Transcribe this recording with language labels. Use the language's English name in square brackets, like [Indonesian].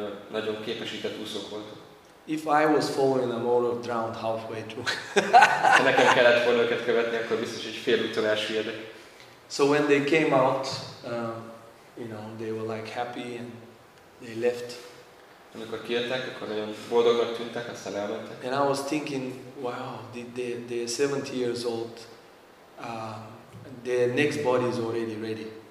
[Hungarian] Nagyon képesített úszók voltak. [English] If I was following them, I would have drowned halfway through. [Hungarian] Ha nekem kellett volna őket követni, akkor biztos, hogy fél úton elsüllyedek. [English] So when they came out, you know, they were like happy and they left. [Hungarian] Amikor kijöttek, akkor nagyon boldognak tűntek, aztán elmentek. [English] And I was thinking, wow, they are 70 years old, their next body is already ready.